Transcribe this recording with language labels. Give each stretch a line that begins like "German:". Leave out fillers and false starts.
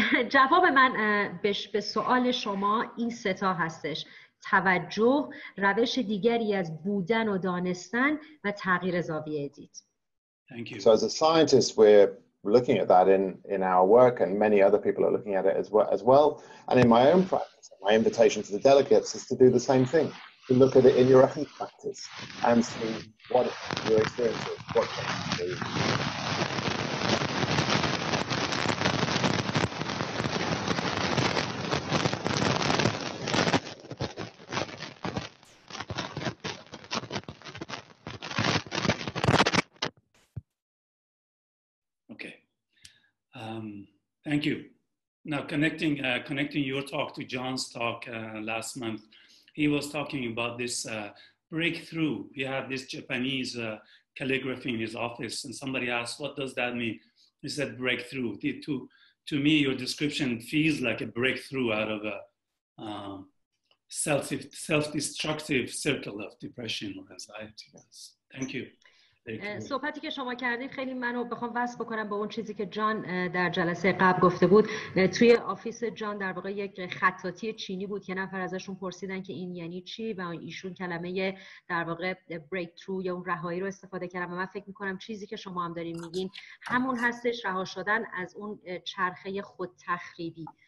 Persian: جواب من به سوال شما این سه تا هستش: توجه، روش دیگری از بودن و دانستن و تغییر زاویه دید.
English: Thank you. So as a scientist we're looking at that in our work and many other people are looking at it as well and in my own practice my invitation to the delegates is to do the same thing, to look at it in your own practice and see what your experience is, what can you do. Thank you. Now connecting your talk to John's talk last month, he was talking about this breakthrough. He had this Japanese calligraphy in his office and somebody asked, what does that mean? He said breakthrough. To me, your description feels like a breakthrough out of a self-destructive circle of depression or anxiety. Yes. Thank you.
Persian: صحبتی که شما کردید خیلی منو بخوام وصل بکنم به اون چیزی که جان در جلسه قبل گفته بود. توی آفیس جان در واقع یک خطاطی چینی بود که نفر ازشون پرسیدن که این یعنی چی و ایشون کلمه در واقع بریک ترو یا اون رهایی رو استفاده کردن و من فکر میکنم چیزی که شما هم دارین میگین همون هستش، رها شدن از اون چرخه خود تخریبی.